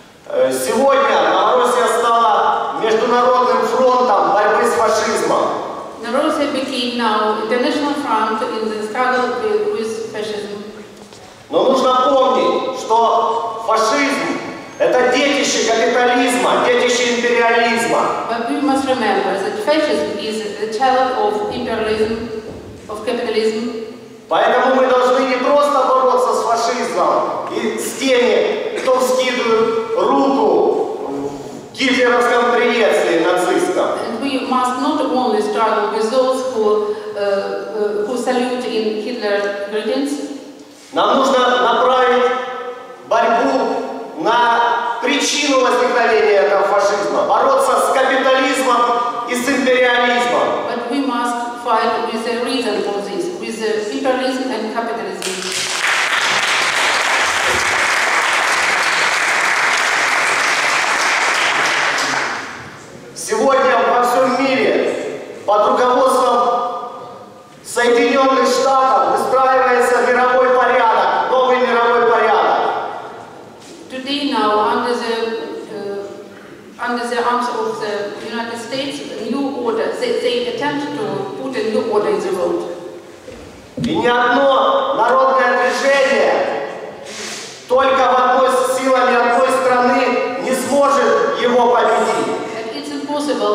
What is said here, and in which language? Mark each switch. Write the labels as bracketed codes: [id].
[ru] Сегодня Новороссия стала международным фронтом борьбы с фашизмом. [en] Новороссия became now international front in the struggle with fascism. [ru] Но нужно помнить, что фашизм – это детище капитализма, детище империализма. [en] But we must remember that fascism is the child of imperialism, of capitalism. [ru] Поэтому мы должны не просто бороться с фашизмом и с теми, кто вскидывает руку в гитлеровском приезде нацистам. [en] And we must not only struggle with those who salute in Hitler's regions. [ru] Нам нужно направить борьбу на причину возникновения этого фашизма, бороться с капитализмом и с империализмом. [en] But we must fight with the reason for this, with the imperialism and capitalism. [ru] Сегодня во всем мире под руководством Соединенных Штатов выстраивается мировой порядок, новый мировой порядок. [en] Today now under the arms of the United States, a new order. They attempt to put a new order in the world. [ru] И ни одно народное движение только в одной силе одной страны не сможет его победить.